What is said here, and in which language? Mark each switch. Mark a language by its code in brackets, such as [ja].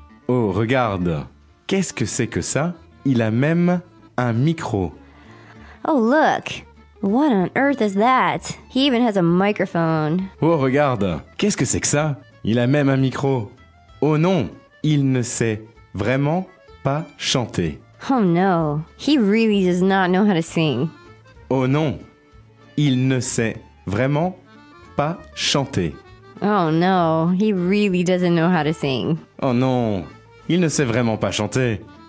[fr] Oh, regarde. Qu'est-ce que c'est que ça? Il a même un micro. [en] Oh, look. What on earth is that? He even has a microphone. [fr] Oh, regarde. Qu'est-ce que c'est que ça? Il a même un micro. Oh non, il ne sait vraiment pas chanter. [en] Oh no, he really does not know how to sing. [fr] Oh non, il ne sait vraiment pas chanter. [en] Oh no, he really doesn't know how to sing. [fr] Oh non, il ne sait vraiment pas chanter.